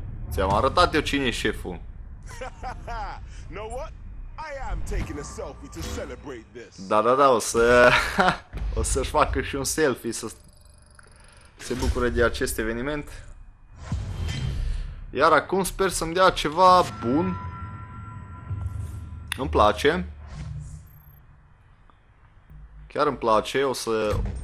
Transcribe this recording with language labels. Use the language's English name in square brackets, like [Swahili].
[Romanian] Ți-am arătat eu cine e șeful. [English] Know what? I am taking a selfie to celebrate this. [Romanian] Da, o să-și facă și un selfie să se bucure de acest eveniment. Iar acum sper să-mi dea ceva bun. Îmi place. Chiar îmi place, o să